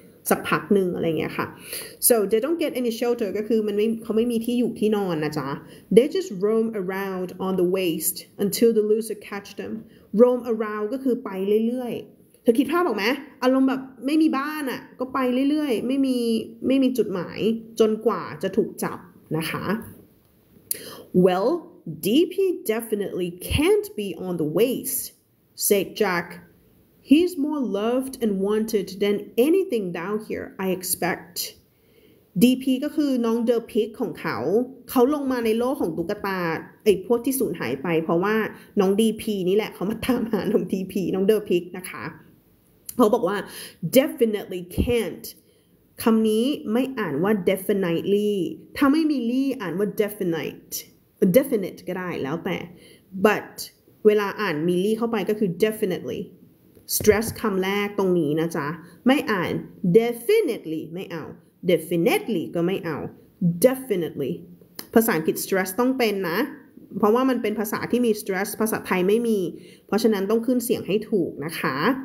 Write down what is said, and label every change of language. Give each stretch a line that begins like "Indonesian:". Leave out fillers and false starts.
Thai: สักพักหนึ่งอะไรเงี้ยค่ะ
English: so they don't get any shelter
Thai: ก็คือมันไม่เขาไม่มีที่อยู่ที่นอนนะจ๊ะ
English: they just roam around on the waste until the loser catch them
Thai: roam around ก็คือไปเรื่อยๆเธอคิดภาพออกไหมอารมณ์แบบไม่มีบ้านอ่ะก็ไปเรื่อยๆไม่มีจุดหมายจนกว่าจะถูกจับนะคะ
English: Well, DP definitely can't be on the waste, said Jack. He's more loved and wanted than anything down here, I expect.
Thai: DP ก็คือน้องเดอะพิกของเขาเขาลงมาในโลกของตุ๊กตาไอ้พวกที่สูญหายไปเพราะว่าน้อง DP นี่แหละเขามาตามหาน้อง DP น้องเดอะพิกนะคะ เขาบอกว่า
English: definitely can't
Thai: คำนี้ไม่อ่านว่า definitely ถ้าไม่มี ly อ่านว่า definite ก็ได้แล้วแต่ but เวลาอ่านมี ly เข้าไปก็คือ definitely stress คำแรกตรงนี้นะจ๊ะไม่อ่าน definitely ไม่เอา definitely ก็ไม่เอา definitely ภาษาอังกฤษ stress ต้องเป็นนะเพราะว่ามันเป็นภาษาที่มี stress ภาษาไทยไม่มีเพราะฉะนั้นต้องขึ้นเสียงให้ถูกนะคะ